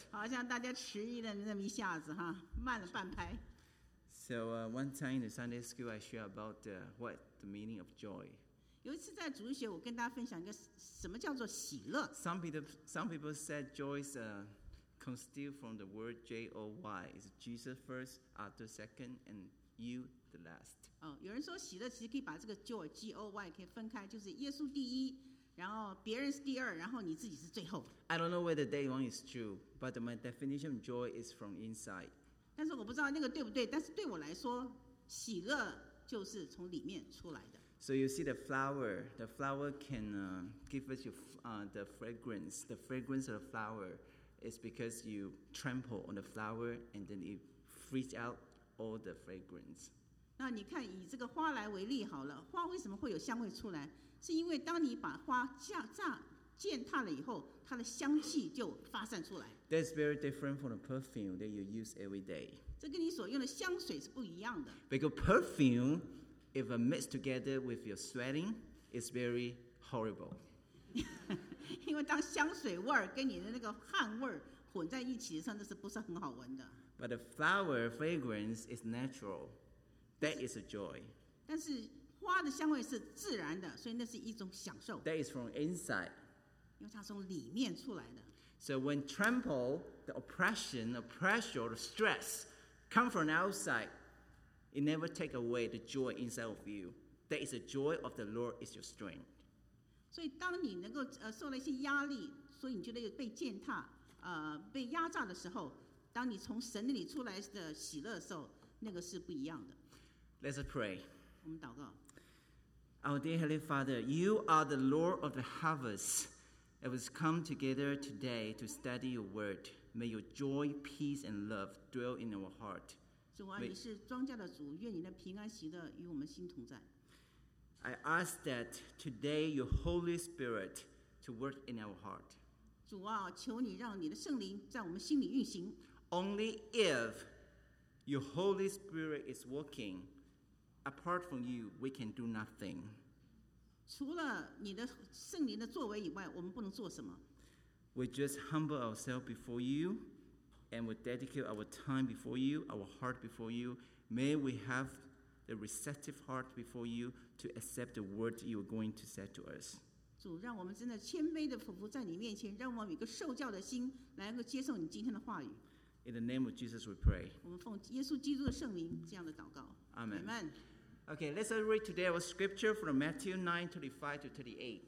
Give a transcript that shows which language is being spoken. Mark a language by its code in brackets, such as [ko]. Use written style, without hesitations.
[zh] 好像大家迟疑了那么一下子哈，慢了半拍。 [en] So, one time in the Sunday school, I shared about what the meaning of joy. [zh] 有一次在主日学，我跟大家分享一个什么叫做喜乐。 [en] Some people said joy's conceived from the word J-O-Y. It's Jesus first, after second, and you the last. [zh] 有人说喜乐其实可以把这个 joy, J-O-Y 可以分开，就是耶稣第一，然后别人是第二，然后你自己是最后。 [en] I don't know whether that one is true, but my definition of joy is from inside. [zh] 但是我不知道那个对不对，但是对我来说，喜乐就是从里面出来的。 [en] So you see the flower can give us the fragrance, the fragrance of the flower. It's because you trample on the flower and then it frees out all the fragrance. [zh] 那你看以这个花来为例好了，花为什么会有香味出来？是因为当你把花践踏了以后，它的香气就发散出来。 [en] That's very different from the perfume that you use every day. [zh] 这跟你所用的香水是不一样的。 [en] Because perfume, if mixed together with your sweating, is very horrible. [zh] 因为当香水味跟你的那个汗味混在一起的时候，那是不是很好闻的？ [en] But the flower fragrance is natural. That is a joy. [zh] 但是花的香味是自然的，所以那是一种享受。 [en] That is from inside. [zh] 因为它从里面出来的。 [en] So when trample, the oppression, the pressure, the stress come from outside, it never take away the joy inside of you. That is the joy of the Lord is your strength. [zh] 所以当你能够受了一些压力，所以你觉得被践踏被压榨的时候，当你从神那里出来的喜乐的时候，那个是不一样的。 [en] Let's pray. [zh] 我们祷告。 [en] Our dear Heavenly Father, You are the Lord of the harvest. It was come together today to study Your word. May Your joy, peace and love dwell in our heart. [zh] 主啊，你是庄稼的主，愿你的平安喜乐与我们心同在。 [en] I ask that today your Holy Spirit to work in our heart. [zh] 主啊，求你让你的圣灵在我们心里运行。 [en] Only if your Holy Spirit is working, apart from you, we can do nothing. [zh] 除了你的圣灵的作为以外，我们不能做什么。 [en] We just humble ourselves before you, and we dedicate our time before you, our heart before you. May we have a receptive heart before you to accept the word you are going to say to us. [zh] 主，让我们真的谦卑的俯伏在你面前，让我们有一个受教的心，来能够接受你今天的话语。 [en] In the name of Jesus, we pray. [zh] 我们奉耶稣基督的圣名这样的祷告。 [en] Amen. Amen. Okay, let's read today our scripture from Matthew 9:35-38.